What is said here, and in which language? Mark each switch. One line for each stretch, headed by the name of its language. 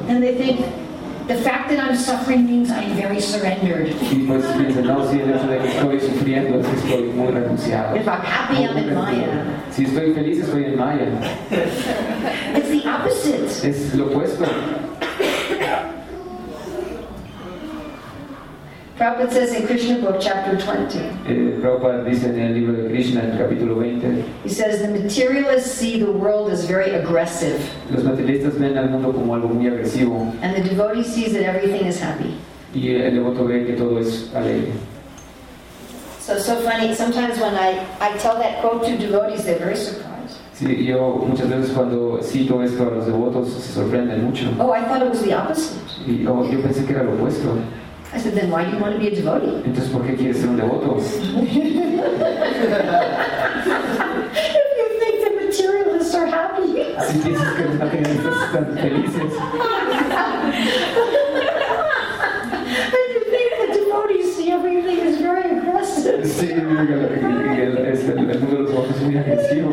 English: And they think the fact that I'm suffering means I'm very surrendered.
Spanish: Y pues piensan, no, si el hecho de que estoy sufriendo es que estoy muy renunciado.
English: If I'm happy, I'm in Maya.
Spanish: Si estoy feliz, estoy en Maya.
English: It's the opposite.
Spanish: Es lo opuesto.
English: Prabhupada says in Krishna book chapter 20.
Spanish: Prabhupada dice en el libro de Krishna en capítulo 20.
English: He says the materialists see the world as very aggressive.
Spanish: Los materialistas ven al mundo como algo muy agresivo.
English: And the devotee sees that everything is happy.
Spanish: Y el devoto ve que todo es alegre.
English: So funny. Sometimes when I tell that quote to devotees, they're very surprised.
Spanish: Sí, yo muchas veces cuando cito esto a los devotos se sorprenden mucho.
English: Oh, I thought it was the opposite.
Spanish: Yo pensé que era lo opuesto.
English: I said, then why do you want to be a devotee?
Spanish: Entonces, ¿por qué quieres ser un devoto?
English: If you think the materialists are happy.
Spanish: Si piensas que los materialistas están felices.
English: If you think the devotees see everything is very aggressive.
Spanish: Sí, el mundo de los devotos es muy agresivo.